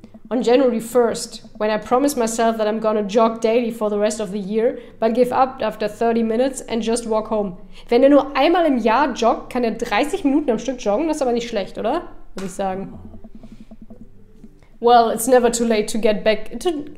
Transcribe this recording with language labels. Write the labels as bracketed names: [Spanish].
[English] On January 1st, when I promise myself that I'm gonna jog daily for the rest of the year, but give up after 30 minutes and just walk home. [German] Wenn er nur einmal im Jahr joggt, kann er 30 Minuten am Stück joggen, das ist aber nicht schlecht, oder? Würde ich sagen. [English] Well, it's never too late to get back into...